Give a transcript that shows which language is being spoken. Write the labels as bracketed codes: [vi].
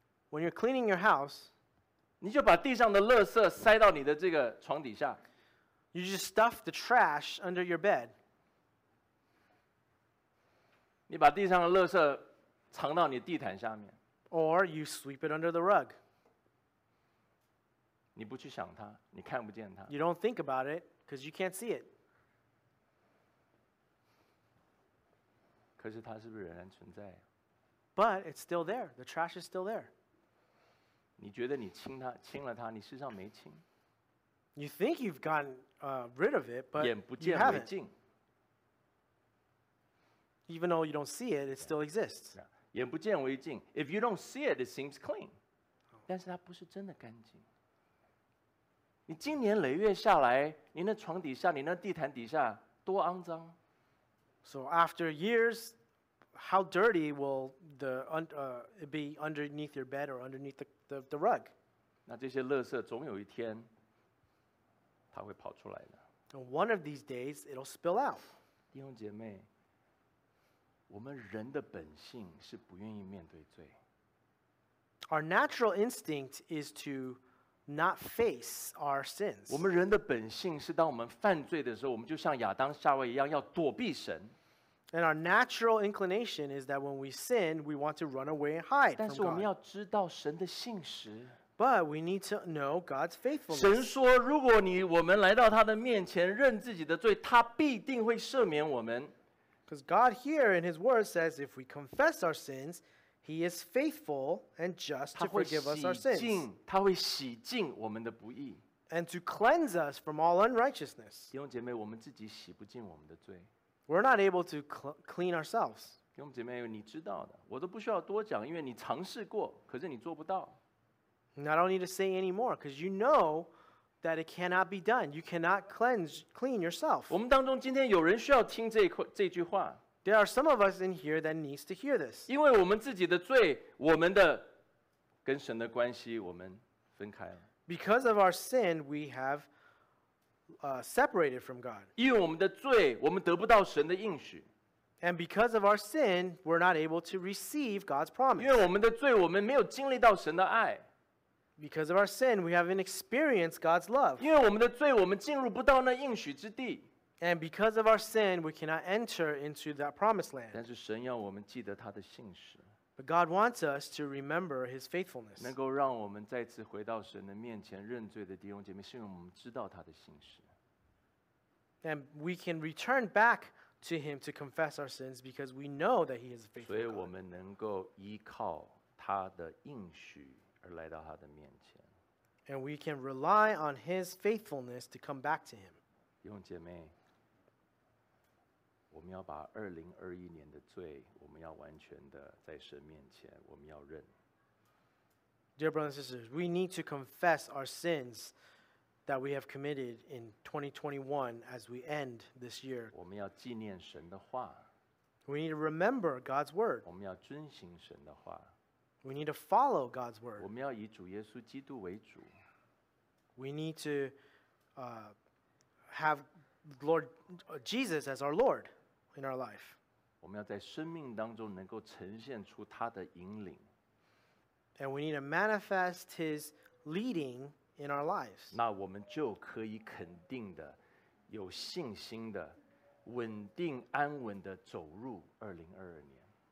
[en] When you're cleaning your house, you just stuff the trash under your bed. [zh] 你把地上的垃圾藏到你地毯下面。 [en] Or you sweep it under the rug. [zh] 你不去想它，你看不见它。 [en] You don't think about it because you can't see it. [zh] 可是它是不是仍然存在？ [en] But it's still there. The trash is still there. [zh] 你觉得你清它，清了它，你事实上没清。 [en] You think you've gotten rid of it, but you haven't. [zh] 眼不见为净。 [en] Even though you don't see it, it still exists. [zh] 眼不见为净。 [en] If you don't see it, it seems clean. [zh] 但是它不是真的干净。你经年累月下来，你那床底下，你那地毯底下，多肮脏。 [en] So after years, how dirty will the, be underneath your bed or underneath the rug? [zh] 那这些垃圾总有一天，它会跑出来的。 [en] One of these days, it'll spill out. [zh] 弟兄姐妹，我们人的本性是不愿意面对罪。 [en] Our natural instinct is to not face our sins. [zh] 我们人的本性是当我们犯罪的时候，我们就像亚当夏娃一样要躲避神。 [en] And our natural inclination is that when we sin, we want to run away and hide from God. [zh] 但是我们要知道神的信实。 [en] But we need to know God's faithfulness. [zh] 神说，如果你我们来到他的面前认自己的罪，他必定会赦免我们。 [en] Because God here in His Word says, if we confess our sins, He is faithful and just to forgive us our sins. [zh] 他会洗净我们的不义。 [en] And to cleanse us from all unrighteousness. [zh] 弟兄姐妹，我们自己洗不净我们的罪。 [en] We're not able to clean ourselves. [zh] 弟兄姐妹，你知道的，我都不需要多讲，因为你尝试过，可是你做不到。 [en] And I don't need to say anymore, because you know that it cannot be done. You cannot clean yourself. [zh] 我们当中今天有人需要听这句话。 [en] There are some of us in here that needs to hear this. [zh] 因为我们自己的罪，我们的跟神的关系，我们分开了。 [en] Because of our sin, we have separated from God. [zh] 因为我们的罪，我们得不到神的应许。 [en] And because of our sin, we're not able to receive God's promise. [zh] 因为我们的罪，我们没有经历到神的爱。 [en] Because of our sin, we haven't experienced God's love. [zh] 因为我们的罪，我们进入不到那应许之地。 [en] And because of our sin, we cannot enter into that promised land. [zh] 但是神要我们记得他的信实。 [en] But God wants us to remember His faithfulness. [zh] 能够让我们再次回到神的面前认罪的弟兄姐妹，是因为我们知道他的信实。 [en] And we can return back to him to confess our sins because we know that he is a faithful God. 所以我们能够依靠他的应许而来到他的面前。 And we can rely on his faithfulness to come back to him. [zh] 弟兄姐妹，我们要把2021年的罪，我们要完全的在神面前，我们要认。 [en] Dear brothers and sisters, we need to confess our sins that we have committed in 2021 as we end this year. [zh] 我们要纪念神的话。 [en] We need to remember God's word. [zh] 我们要遵行神的话。 [en] We need to follow God's word. [zh] 我们要以主耶稣基督为主。 [en] We need to have Lord Jesus as our Lord in our life. [zh] 我们要在生命当中能够呈现出他的引领。 [en] And we need to manifest his leading in our lives. [zh] 那我们就可以肯定的、有信心的、稳定安稳的走入2022年。